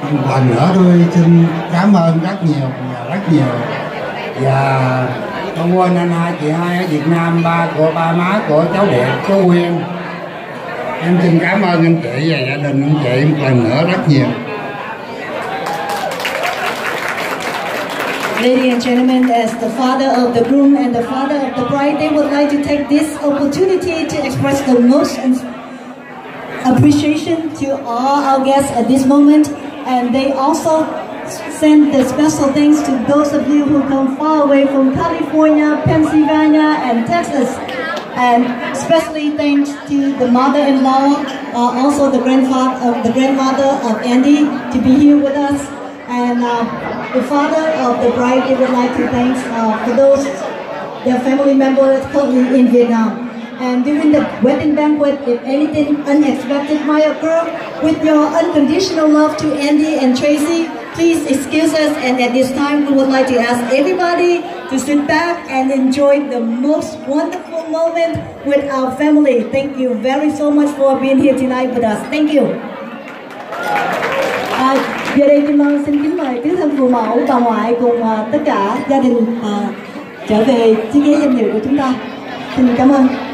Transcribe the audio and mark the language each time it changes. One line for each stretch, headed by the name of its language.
Vietnamese: Lần nữa tôi xin cảm ơn rất nhiều và con quên anh hai chị hai ở Việt Nam, ba của ba má của cháu đẹp cháu quen. Em xin cảm ơn anh chị và gia đình anh chị một lần nữa rất nhiều.
English: Ladies and gentlemen, as the father of the groom and the father of the bride, they would like to take this opportunity to express the most appreciation to all our guests at this moment. And they also send the special thanks to those of you who come far away from California, Pennsylvania, and Texas. And especially thanks to the mother-in-law, also the grandmother of Andy, to be here with us. And the father of the bride, they would like to thank for those, their family members currently in Vietnam. And during the wedding banquet, if anything unexpected might occur, with your unconditional love to Andy and Tracy, please excuse us. And at this time, we would like to ask everybody to sit back and enjoy the most wonderful moment with our family. Thank you very so much for being here tonight with us. Thank you.
Vietnamese: Giờ đây Kim Loan xin kính mời tứ thân phụ mẫu, bà ngoại cùng tất cả gia đình trở về chiếc ghế danh dự của chúng ta. Xin cảm ơn.